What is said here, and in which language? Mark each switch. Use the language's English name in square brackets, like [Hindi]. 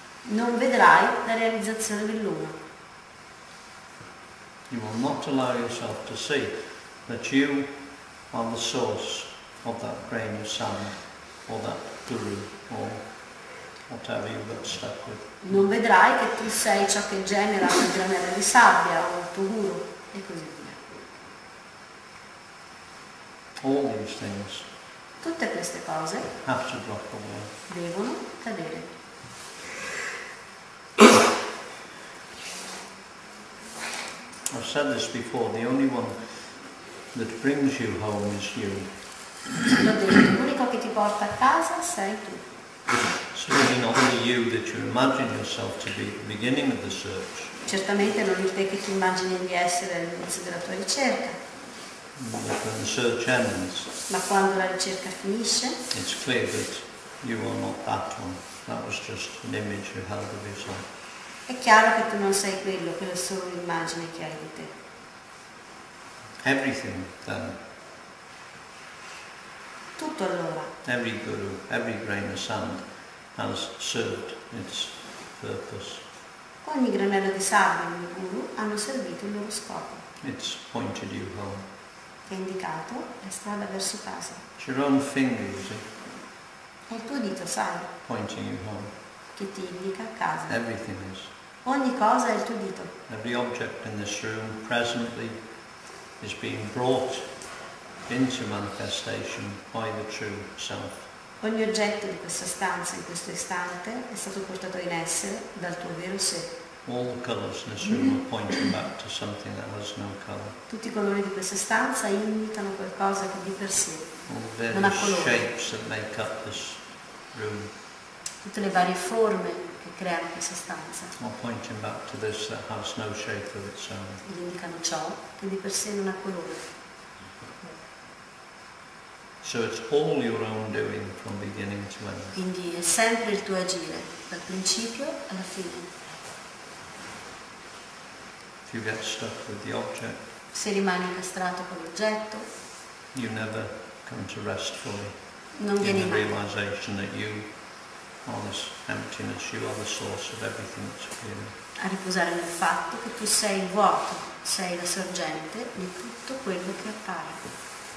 [Italian] Non vedrai la realizzazione dell'uno. [English] You will not allow yourself to see that you are the source of that grain of sand or that guru or whatever you got stuck with. [Italian] Non vedrai che tu sei ciò che genera quel granello di sabbia o il tuo guru e così via. [English] All these things. [Italian] Tutte queste cose [English] have to drop away. [Italian] Devono cadere. [English] I've said this before, the only one that brings you home is you. [Italian] L'unico che ti porta a casa sei tu. [English] Certainly not the you that you imagine yourself to be at the beginning of the search. [Italian] Certamente non il te che ti immagini di essere all'inizio della tua ricerca. [English] But when the search ends, [Italian] ma quando la ricerca finisce, [English] it's clear that you are not that one. That was just an image you held of yourself. [Italian] È chiaro che tu non sei quello, quella è solo un'immagine che hai di te. [English] Everything then. [Italian] Tutto allora. [English] Every guru, every grain of sand has served its purpose. [Italian] Ogni granello di sabbia, ogni guru, hanno servito il loro scopo. [English] It's pointed you home. [Italian] Ti ha indicato la strada verso casa. [English] It's your own finger, you see. [Italian] È il tuo dito, sai. [English] Pointing you home. [Italian] Che ti indica a casa. [English] Everything is. [Italian] Ogni cosa è il tuo dito. [English] Every object in this room presently is being brought into manifestation by the true self. [Italian] Ogni oggetto di questa stanza in questo istante è stato portato in essere dal tuo vero sé. [English] All the colors in this room are pointing back to something that has no color. [Italian] Tutti i colori di questa stanza indicano qualcosa che di per sé non ha colore. [English] All the various shapes that make up this room. [Italian] Tutte le varie forme che creano questa stanza. [English] All pointing back to this that has no shape of its own. [Italian] Ed indicano ciò che di per sé non ha colore. [English] So it's all your own doing from beginning to end. [Italian] Quindi è sempre il tuo agire, dal principio alla fine. [English] If you get stuck with the object, [Italian] se rimani incastrato con l'oggetto, [English] you never come to rest fully. [Italian] Non vieni mai. [English] The realization that you are this emptiness, you are the source of everything that's appearing. [Italian] A riposare nel fatto che tu sei il vuoto, sei la sorgente di tutto quello che appare.